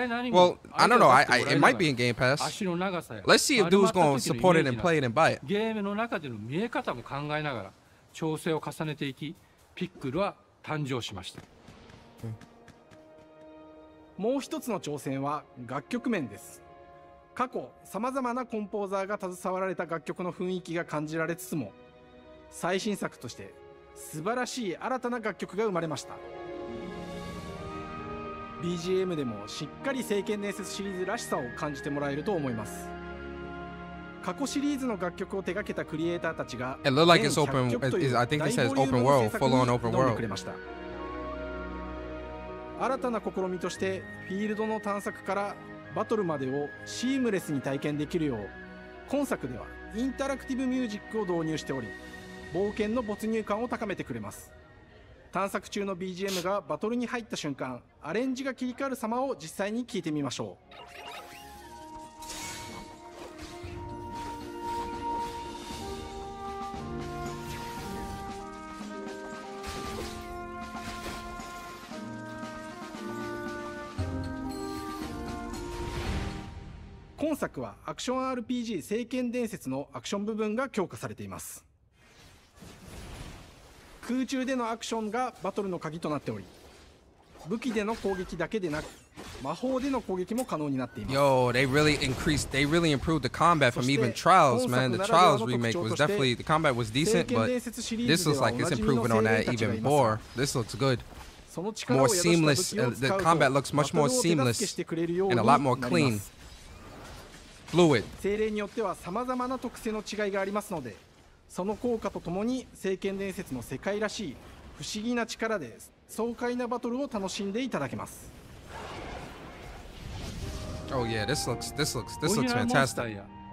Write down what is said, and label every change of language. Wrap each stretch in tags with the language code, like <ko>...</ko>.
<en>I think it might be in Game Pass. Let's see if dude's going to support it and play it and buy it.</en> <ja>Game の中での見え方も考えながら調整を重ねていき、ピックルは誕生しました。もう一つの挑戦は楽曲面です。過去さまざまなコンポーザーが携わられた楽曲の雰囲気が感じられつつも、最新作として素晴らしい新たな楽曲が生まれました。 BGM でもしっかり聖剣伝説シリーズらしさを感じてもらえると思います。過去シリーズの楽曲を手掛けたクリエイターたちが、</ja> <en>It looked like it's open. I think it says open world, full on open world.</en> <ja>新たな試みとしてフィールドの探索からバトルまでをシームレスに体験できるよう、今作ではインタラクティブミュージックを導入しており、冒険の没入感を高めてくれます。探索中の BGM がバトルに入った瞬間、アレンジが切り替わる様を実際に聞いてみましょう。今作はアクション RPG 聖剣伝説のアクション部分が強化されています。空中でのアクションがバトルの鍵となっており、武器での攻撃だけでなく魔法での攻撃も可能になっています。</ja> <en>Yo, they really improved the combat from even Trials, man. The Trials remake was definitely, the combat was decent, but this looks like it's improving on that even more. This looks good. More seamless, the combat looks much more seamless and a lot more clean. Fluid.</en> <ja>精霊によっては様々な特性の違いがありますので、その効果とともに聖剣伝説の世界らしい不思議な力で爽快なバトルを楽しんでいただけます。</ja> <en>オーイエー、this looks fantastic。</en> <ja>オリジナルモンスターや</ja>